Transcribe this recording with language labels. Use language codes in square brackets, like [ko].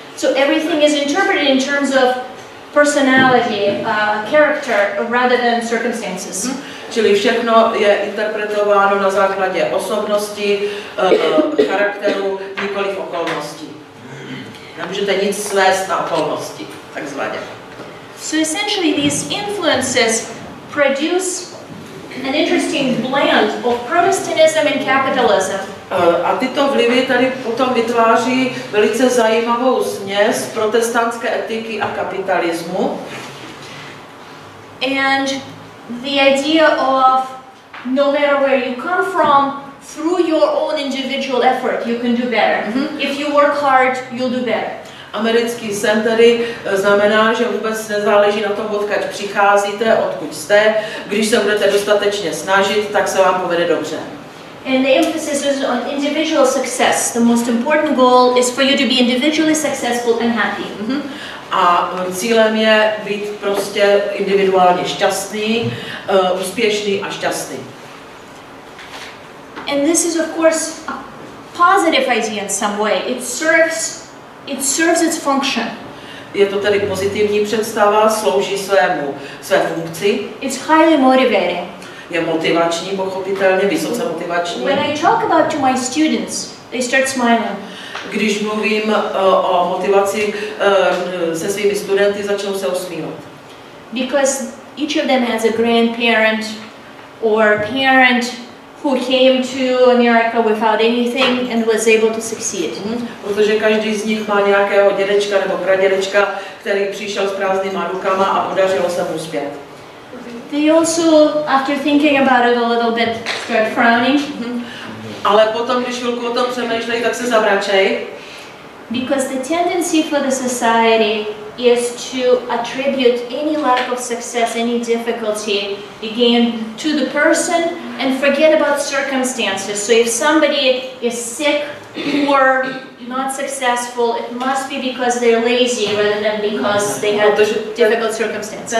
[en] So everything is interpreted in terms of personality, character, rather than circumstances. [cs] Čili všechno je interpretováno na základě osobnosti, charakteru, nikoli okolností. Nemůžete nic svést na okolnosti, takzvaně. [en] So essentially these influences produce an interesting blend of Protestantism and capitalism. [cs] A tyto vlivy tady potom vytváří velice zajímavou směs protestantské etiky a kapitalismu. [en] And the idea of no matter where you come from, through your own individual effort, you can do better. If you work hard, you'll do better. [cs] Americký sen tady znamená, že vůbec nezáleží na tom, odkud přicházíte, odkud jste. Když se budete dostatečně snažit, tak se vám povede dobře. [en] And the emphasis is on individual success. The most important goal is for you to be individually successful and happy. [cs] a cílem je být prostě individuálně šťastný, úspěšný a šťastný. [en] And this is of course a positive idea in some way. It serves its function. [cs] Je to tedy pozitivní představa, slouží své funkci. [en] It's highly motivating. [cs] Je motivační, pochopitelně, vysoce motivační. [en] When I talk about to my students, they start smiling. [cs] Když mluvím o motivaci se svými studenty, začnou se usmívat. [en] Because each of them has a grandparent or a parent who came to America without anything and was able to succeed. [cs] Protože každý z nich má nějakého dědečka nebo pradědečka, který přišel s prázdnýma rukama a podařilo se mu uspět. [en] They also, after thinking about it a little bit, start frowning. [cs] Ale potom, když chvilku o tom přemýšlejí, tak se zavračej. [en] Because the tendency for the society is to attribute any lack of success, any difficulty, again, to the person and forget about circumstances. So if somebody is sick or not successful, it must be because they're lazy rather than because they had difficult circumstances.